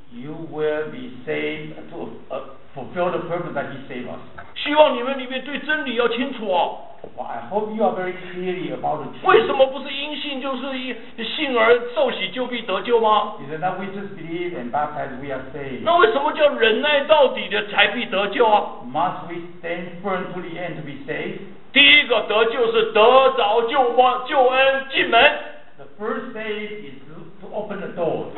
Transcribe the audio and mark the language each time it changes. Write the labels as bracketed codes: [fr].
[en] You will be saved to fulfill the purpose that He saved us. [zh] 希望你们里面对真理要清楚哦。 [en] Well, I hope you are very clearly about the truth. [zh] 为什么不是因信就是信而受洗就必得救吗？ [en] Is it that we just believe and baptize we are saved? [zh] 那为什么叫忍耐到底的才必得救啊？ [en] Must we stand firm to the end to be saved? [zh] 第一个得救是得着救恩进门。 [en] The first save is to open the door.